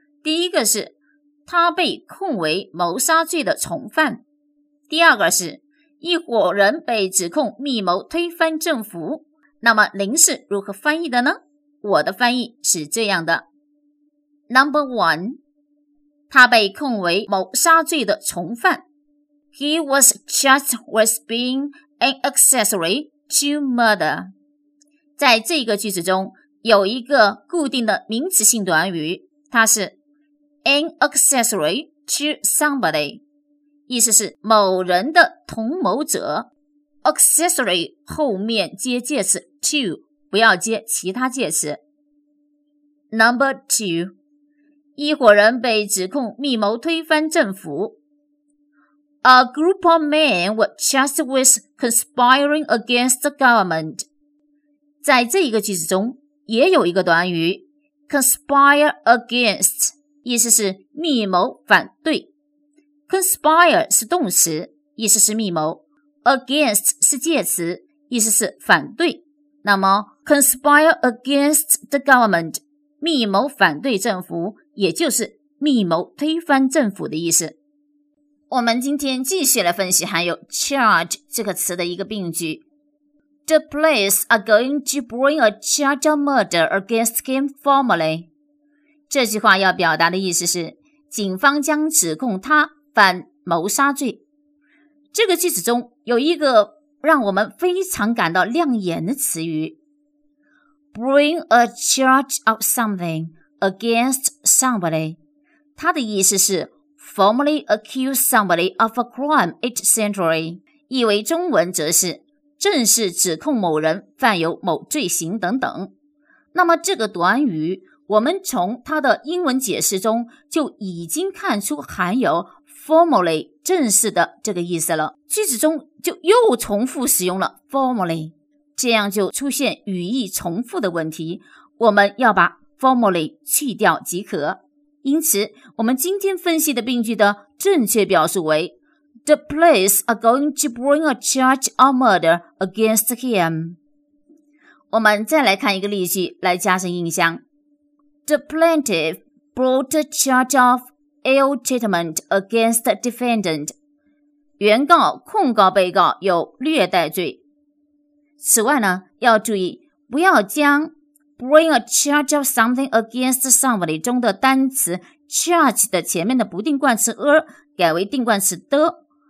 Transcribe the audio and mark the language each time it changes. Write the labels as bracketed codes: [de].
[zh] 第一个是，他被控为谋杀罪的从犯。第二个是，一伙人被指控密谋推翻政府。那么林是如何翻译的呢？我的翻译是这样的。 [en] Number one, [zh] 他被控为谋杀罪的从犯。 [en] He was charged with being an accessory to murder. [zh] 在这个句子中有一个固定的名词性短语，它是 [en] an accessory to somebody, [zh] 意思是某人的同谋者。 Accessory 后面接介词 to,不要接其他介词。 [en] Number two, [zh] 一伙人被指控密谋推翻政府。 [en] A group of men were charged with conspiring against the government. [zh] 在这一个句子中也有一个短语 [en] conspire against, [zh] 意思是密谋反对。 conspire 是动词，意思是密谋。against 是介词，意思是反对。那么 [en] conspire against the government, [zh] 密谋反对政府，也就是密谋推翻政府的意思。我们今天继续来分析含有 charge 这个词的一个病句。 [en] The police are going to bring a charge of murder against him formally. [zh] 这句话要表达的意思是，警方将指控他犯谋杀罪。这个句子中有一个让我们非常感到亮眼的词语 [en] bring a charge of something against somebody, [zh] 它的意思是 [en] formally accuse somebody of a crime etc, [zh] 意为中文则是正式指控某人犯有某罪行等等。那么这个短语我们从它的英文解释中就已经看出含有formally 正式的这个意思了，句子中就又重复使用了 formally, 这样就出现语义重复的问题，我们要把 formally 去掉即可。因此我们今天分析的病句的正确表述为 [en] The police are going to bring a charge of murder against him. [zh] 我们再来看一个例句来加深印象。 [en] The plaintiff brought a charge ofIllegitimate against the defendant. [zh] 原告控告被告有虐待罪。此外呢要注意不要将 [en] bring a charge of something against somebody [zh] 中的单词 charge 的前面的不定冠词 改为定冠词的。